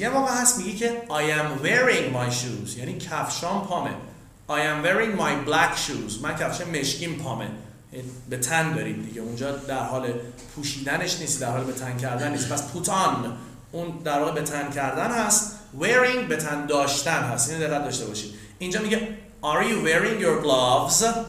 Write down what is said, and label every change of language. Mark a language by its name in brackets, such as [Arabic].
[Persian] یه موقع هست میگه که [English] I am wearing my shoes. [Persian] یعنی کفشام پامه. [English] I am wearing my black shoes. [Persian] من کفش مشکیم پامه. به تن داریم دیگه، اونجا در حال پوشیدنش نیست، در حال به تن کردن نیست. پس put on اون در حال به تن کردن هست، wearing به تن داشتن هست. اینو دقت داشته باشید. اینجا میگه [English] Are you wearing your gloves?